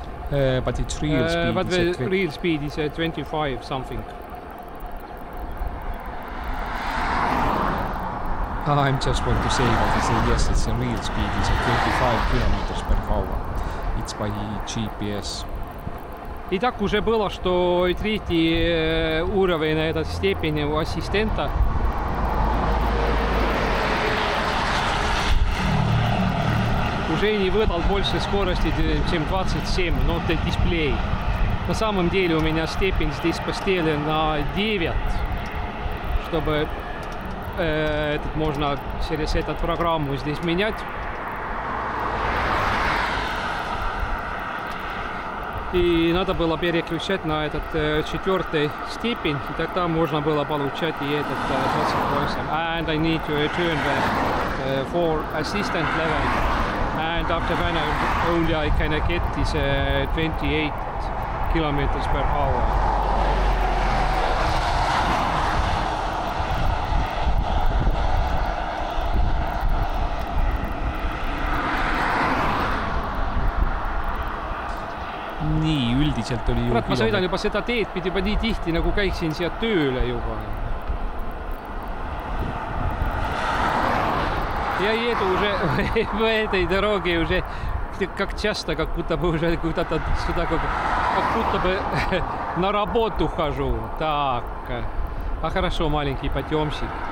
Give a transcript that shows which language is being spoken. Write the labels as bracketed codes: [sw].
[en] But it's real speed. But the real speed is 25 something. I'm just want to say that it's a, yes, it's a real speed, it's a 25 kilometers per hour. It's by GPS. [ru] И так уже было, что третий уровень на этой степени у ассистента. Уже не выдал больше скорости, чем 27, но это дисплей. На самом деле у меня степень здесь поставлен на 9, чтобы этот можно через эту программу здесь менять. И надо было переключать на этот четвертый степень, и тогда можно было получать и этот 28. [en] And I need to turn the for assistant level. And after that only I can get this 28 kilometers per hour. [et] Nii, üldiselt oli juba... Ma sõidan juba seda teed pidi juba nii tihti, nagu käiksin siia tööle juba. [ru] Ja jedu уже в этой дороге уже как часто, как будто бы уже куда-то сюда, как будто бы на работу хожу. Так, а хорошо, маленький подъемщик.